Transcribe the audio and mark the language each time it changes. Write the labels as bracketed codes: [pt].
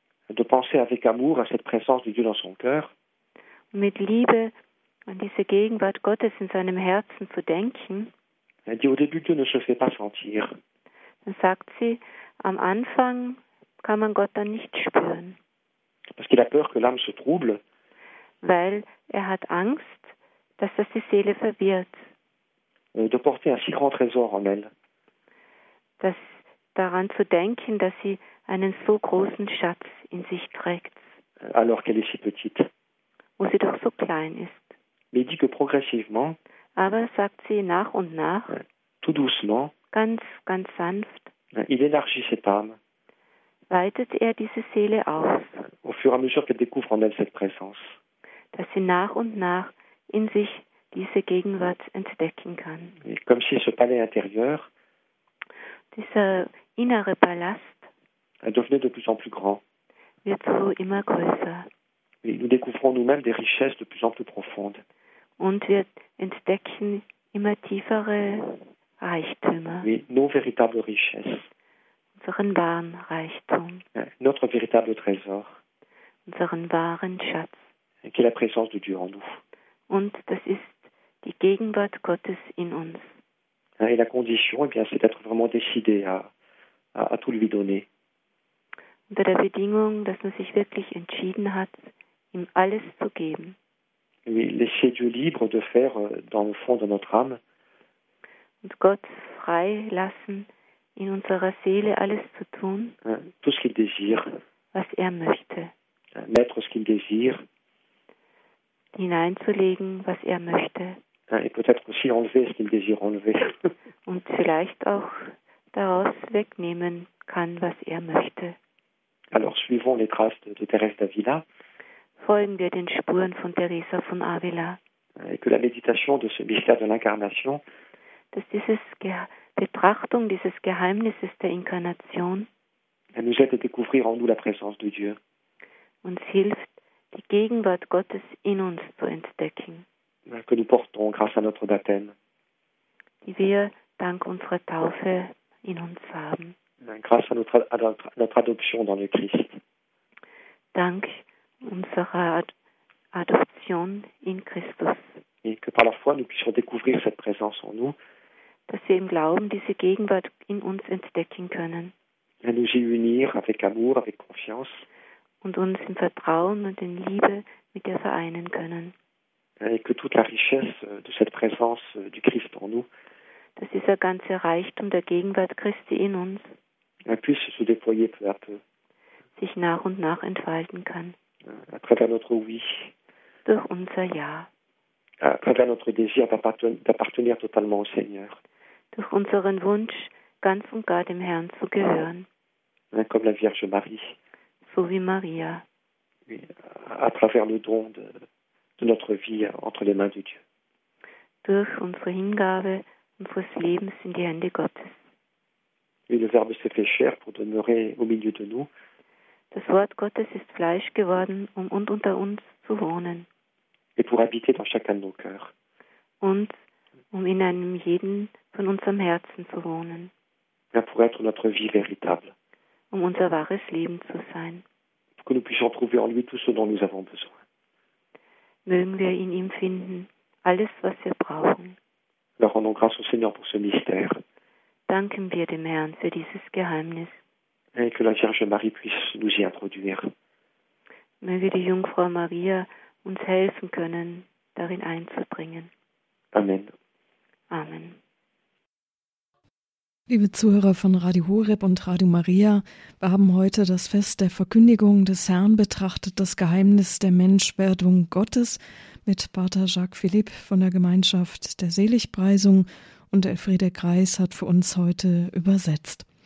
[fr] de penser avec amour à cette présence de Dieu dans son cœur, [de] mit Liebe an diese Gegenwart Gottes in seinem Herzen zu denken, [fr] elle dit, au début, Dieu ne se fait pas sentir. [de] Dann sagt sie, am Anfang kann man Gott dann nicht spüren. [fr] Parce qu'il a peur que l'âme se trouble. [de] Weil er hat Angst, dass das die Seele verwirrt. [fr] De porter un si grand trésor en elle. [de] Das daran zu denken, dass sie einen so großen Schatz in sich trägt. [fr] Alors qu'elle est si petite. [de] Wo sie doch so klein ist. [fr] Mais dit que progressivement. [de] Aber sagt sie nach und nach. [fr] Tout doucement. [de] Ganz, ganz sanft. [fr] Il élargit cette âme. [de] Weitet er diese Seele aus. [fr] Au fur et à mesure qu'elle découvre en elle cette présence. [de] Dass sie nach und nach in sich diese Gegenwart entdecken kann. [fr] Et comme si ce palais intérieur, [de] dieser innere Palast, [fr] devenait de plus en plus grand. [de] Wird so immer größer. [fr] Et nous découvrons nous-mêmes des richesses de plus en plus profondes. [de] Und wir entdecken immer tiefere Reichtümer. [fr] Oui, nos véritables richesses. [de] Unseren wahren Reichtum. [fr] Notre véritable trésor. [de] Unseren wahren Schatz. [fr] Qui est la présence de Dieu en nous. [de] Und das ist die Gegenwart Gottes in uns. [fr] Et la condition, eh bien, c'est d'être vraiment décidé à tout lui donner. [de] Unter der Bedingung, dass man sich wirklich entschieden hat, ihm alles zu geben. [fr] Oui, laisser Dieu libre de faire dans le fond de notre âme. [de] Und Gott frei lassen, in unserer Seele alles zu tun, [fr] tout ce qu'il désire, [de] was er möchte. [fr] Mettre ce qu'il désire, [de] hineinzulegen, was er möchte. [fr] Et peut-être aussi enlever ce qu'il désire enlever. [de] Und vielleicht auch daraus wegnehmen kann, was er möchte. [fr] Alors, suivons les traces de Thérèse d'Avila. [de] Folgen wir den Spuren von Teresa von Avila. [fr] Et que la méditation de ce mystère de l'incarnation, [de] dass dieses Betrachtung dieses Geheimnisses der Inkarnation, [fr] elle nous aide à découvrir en nous la présence de Dieu. [de] Uns hilft, die Gegenwart Gottes in uns zu entdecken. [fr] Que nous portons grâce à notre baptême. [de] Die wir dank unserer Taufe in uns haben. [fr] Grâce à notre adoption dans le Christ. [de] Dank unserer Adoption in Christus. [fr] Et que par la foi nous puissions découvrir cette présence en nous. [de] Dass wir im Glauben diese Gegenwart in uns entdecken können. [fr] Et nous y unir avec amour, avec confiance. [de] Und uns im Vertrauen und in Liebe mit ihr vereinen können. [fr] Et que toute la richesse de cette présence du Christ en nous. [de] Dass dieser ganze Reichtum der Gegenwart Christi in uns. [fr] Puisse se déployer peu à peu. [de] Sich nach und nach entfalten kann. [fr] À travers notre oui. [de] Durch unser Ja. [fr] À travers notre désir d'appartenir totalement au Seigneur. [de] Durch unseren Wunsch, ganz und gar dem Herrn zu gehören. [fr] Comme la Vierge Marie. [de] So wie Maria. [fr] Oui, à travers le don de notre vie entre les mains de Dieu. [de] Durch unsere Hingabe unseres Lebens in die Hände Gottes. [fr] Oui, le Verbe s'est fait chair pour demeurer au milieu de nous. [de] Das Wort Gottes ist Fleisch geworden, um unter uns zu wohnen. [fr] Et pour habiter dans chacun de nos cœurs. [de] Und um in einem jeden von unserem Herzen zu wohnen. [fr] Ja, pour être notre vie véritable. [de] Um unser wahres Leben zu sein. [fr] Pour que nous puissions trouver en lui tout ce dont nous avons besoin. [de] Mögen wir in ihm finden alles, was wir brauchen. [fr] Alors, rendons grâce au Seigneur pour ce mystère. [de] Danken wir dem Herrn für dieses Geheimnis. [fr] et que la Vierge Marie puisse nous y introduire. [de] Möge die Jungfrau Maria uns helfen können, darin einzudringen. [fr] Amen. [de] Amen. Liebe Zuhörer von Radio Horeb und Radio Maria, wir haben heute das Fest der Verkündigung des Herrn betrachtet, das Geheimnis der Menschwerdung Gottes mit Pater Jacques Philippe von der Gemeinschaft der Seligpreisung, und Elfriede Kreis hat für uns heute übersetzt.